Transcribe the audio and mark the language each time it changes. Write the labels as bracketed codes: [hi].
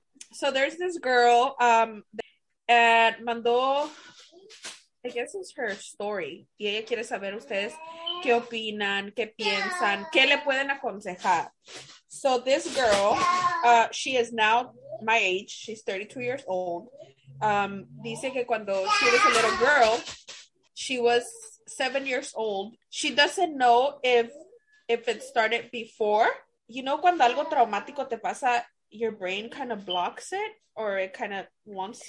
[en] So there's this girl, and [es] mandó, [en] I guess it's her story. [es] Y ella quiere saber ustedes qué opinan, qué piensan, qué le pueden aconsejar. [en] So this girl, she is now my age. She's 32 years old. [es] Dice que cuando [en] she was a little girl, she was 7 years old. She doesn't know if it started before. You know, [es] cuando algo traumático te pasa, [en] your brain kind of blocks it, or it kind of wants